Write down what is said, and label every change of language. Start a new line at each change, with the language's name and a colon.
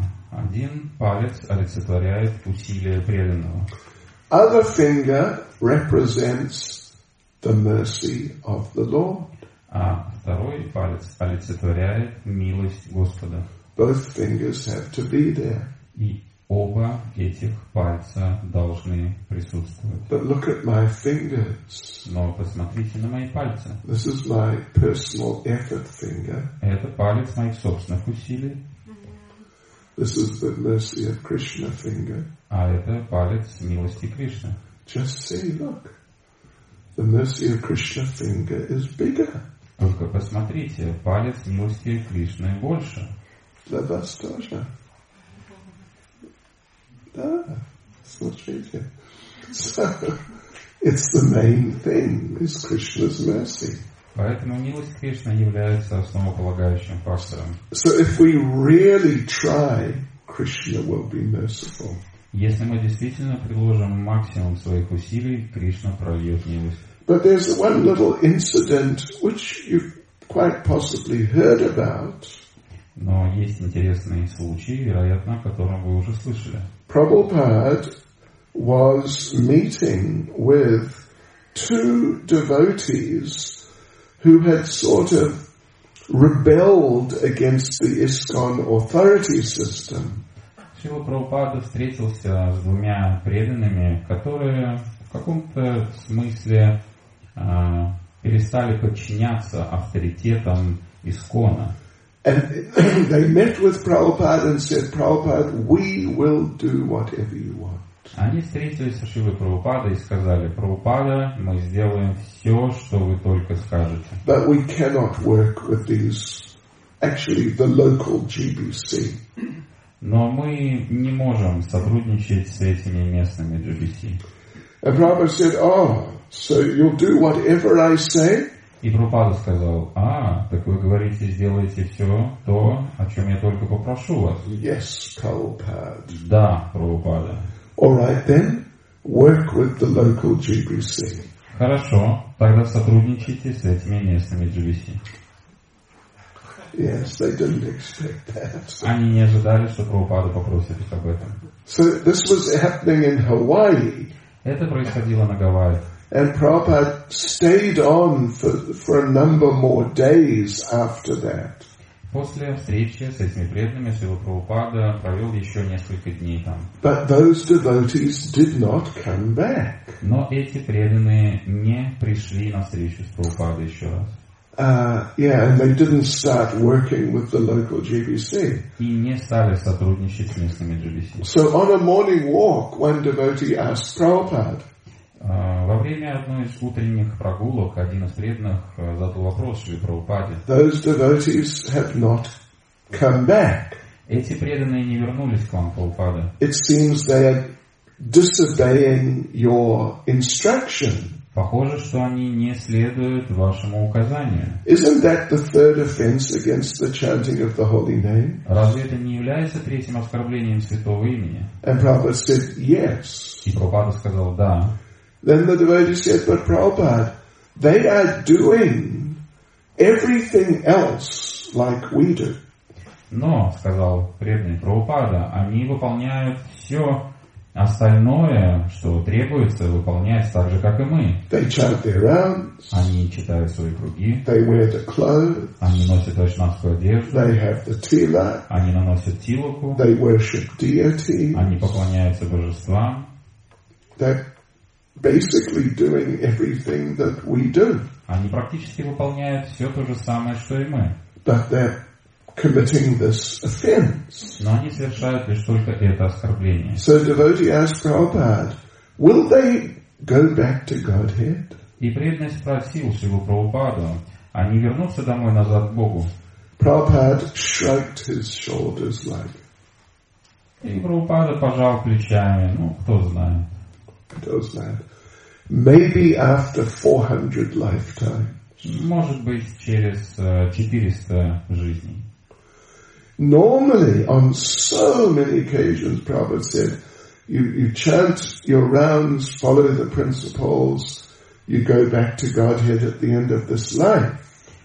Russian: Один палец олицетворяет усилие преданного.
English: Other finger represents the mercy of the Lord.
Russian: А второй палец олицетворяет милость Господа.
English: Both fingers have to be there.
Russian: И оба этих пальца должны присутствовать.
English: But look at my fingers.
Russian: Но посмотрите на мои пальцы.
English: This is my personal effort finger.
Russian: Это палец моих собственных усилий.
English: This is the mercy of Krishna finger.
Russian: А это палец милости Кришны.
English: Just see, look. The mercy of Krishna finger is bigger.
Russian: Только посмотрите, палец милости Кришны больше. Для вас тоже. Да, смотрите.
English: So, it's the main thing is Krishna's mercy.
Russian: Поэтому милость Кришны является основополагающим фактором.
English: So if we really try, Krishna will be merciful.
Russian: Если мы действительно приложим максимум своих усилий, Кришна прольет милость.
English: But there's one little incident which you've quite possibly heard about.
Russian: Но есть интересный случай, вероятно, о котором вы уже слышали.
English: Prabhupada was meeting with two devotees who had sort of rebelled against the ISKCON authority system.
Russian: Шрила Прабхупада встретился с двумя преданными, которые в каком-то смысле перестали подчиняться авторитетам ИСККОНа.
English: And they met with Prabhupada and said, Prabhupada, we will do whatever you want.
Russian: Они встретились с Шрилой Прабхупадой и сказали: «Прабхупада, мы сделаем все, что вы только скажете».
English: But we cannot work with these, actually, the local GBC.
Russian: Но мы не можем сотрудничать с этими местными GBC.
English: And Prabhupada said, oh, so you'll do whatever I say?
Russian: И Прабхупада сказал: «А, так вы говорите, сделайте все то, о чем я только попрошу вас».
English: Yes, Prabhupada.
Russian: Да, Прабхупада.
English: All right then, work with the local GBC.
Russian: Хорошо, тогда сотрудничайте с этими местными GBC.
English: Yes, they didn't expect that.
Russian: Они не ожидали, что Прабхупада попросит их об этом.
English: So this was happening in Hawaii.
Russian: Это происходило на Гавайях.
English: And Prabhupada stayed on for a number more days after that.
Russian: После встречи с этими преданными Шрила Прабхупада провел еще несколько дней там.
English: But those devotees did not come back.
Russian: Но эти преданные не пришли на встречу с Прабхупадой еще раз.
English: Yeah, and they didn't start working with the local GBC.
Russian: И не стали сотрудничать с местными GBC.
English: So on a morning walk, one devotee asked Prabhupada.
Russian: Во время одной из утренних прогулок один из преданных задал вопрос Шриле Прабхупаде.
English: Those devotees have not come back.
Russian: Эти преданные не вернулись к вам, Прабхупада.
English: It seems they are disobeying your instruction.
Russian: Похоже, что они не следуют вашему указанию.
English: Isn't that the third offense against the chanting of the holy name?
Russian: Разве это не является третьим оскорблением святого имени?
English: And Prabhupada said yes.
Russian: И Прабхупада сказал да.
English: Then the devotee said, but Prabhupada, they are doing everything else like we do.
Russian: Но, сказал преданный Прабхупада, они выполняют все остальное, что требуется выполнять так же, как и мы.
English: They chant their rounds.
Russian: Они читают свои круги.
English: They wear the clothes.
Russian: Они носят ашнавскую одежду.
English: They have the tilak.
Russian: Они наносят тилаку.
English: They worship deities.
Russian: Они поклоняются божествам.
English: Basically doing everything that we do.
Russian: Они практически выполняют все то же самое, что и мы.
English: But they're committing this offense.
Russian: Но они совершают лишь только это оскорбление.
English: So devotee asked Prabhupada, will they go back to Godhead?
Russian: И преданный спросил Шрилу Прабхупаду, они вернутся домой назад к Богу?
English: Prabhupada shrugged his shoulders like.
Russian: И Прабхупада пожал плечами, ну кто знает.
English: Does that? Maybe after 400 lifetimes.
Russian: Может быть через 400 жизней.
English: Normally, on so many occasions, Prabhupada said, "You chant your rounds, follow the principles, you go back to Godhead at the end of this life."